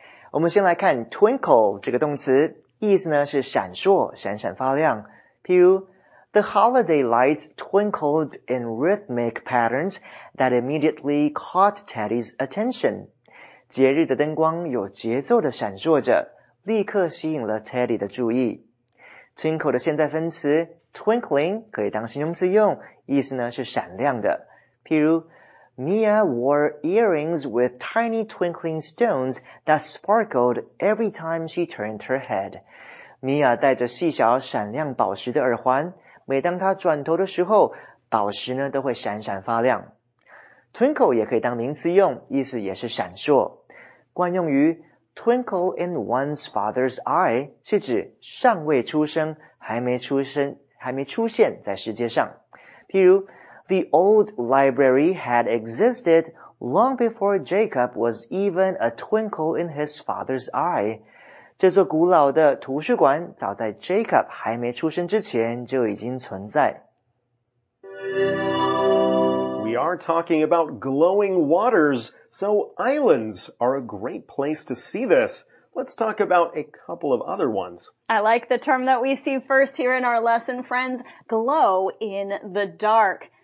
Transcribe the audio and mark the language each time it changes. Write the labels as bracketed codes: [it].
[zh] 我们先来看 twinkle 这个动词。意思呢是闪烁闪闪发亮。譬如 [en] The holiday lights twinkled in rhythmic patterns that immediately caught Teddy's attention. [zh] 节日的灯光有节奏的闪烁着，立刻吸引了 Teddy 的注意。 Twinkle 的现在分词 twinkling 可以当形容词用，意思呢是闪亮的。譬如 [en] Mia wore earrings with tiny twinkling stones that sparkled every time she turned her head. [zh] 米娅戴着细小闪亮宝石的耳环，每当她转头的时候，宝石呢都会闪闪发亮。 Twinkle 也可以当名词用，意思也是闪烁。惯用于 [en] Twinkle in one's father's eye [zh] 是指尚未出生，还没出现在世界上。譬如 [en] The old library had existed long before Jacob was even a twinkle in his father's eye. [zh] 这座古老的图书馆早在 Jacob 还没出生之前就已经存在。 [en] We are talking about glowing waters, so islands are a great place to see this. Let's talk about a couple of other ones. I like the term that we see first here in our lesson, friends, glow in the dark.